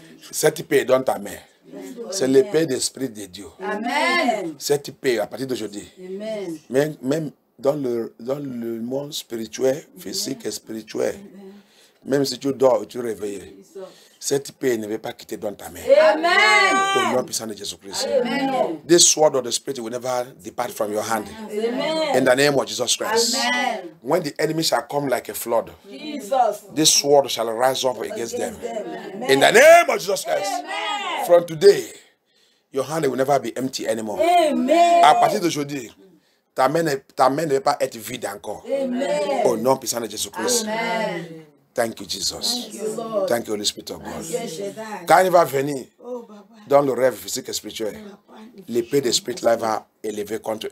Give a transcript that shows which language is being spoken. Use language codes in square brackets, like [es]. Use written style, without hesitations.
[fr] Cette épée donne ta main. C'est l'épée de l'Esprit de Dieu. Amen. Cette épée à partir d'aujourd'hui. Amen. Même dans le monde spirituel, physique et spirituel. Amen. Même si tu dors, tu réveilles. Cette paix ne veut pas quitter dans ta main. Amen. Au nom puissant de Jésus-Christ. Amen. [en] This sword of the Spirit will never depart from your hand. Amen. In the name of Jesus Christ. Amen. When the enemy shall come like a flood, Jesus. This sword shall rise up against them. Amen. In the name of Jesus Christ. Amen. From today, your hand will never be empty anymore. Amen. [fr] À partir d'aujourd'hui, ta main ne va pas être vide encore. Amen. Au nom puissant de Jésus-Christ. Amen. [en] Thank you, Jesus. Thank you, Lord. Thank you, Holy Spirit of God. Yes, [fr] quand il va venir, oh, Baba, dans le rêve physique et spirituel, l'épée de l'Esprit là va élever contre eux.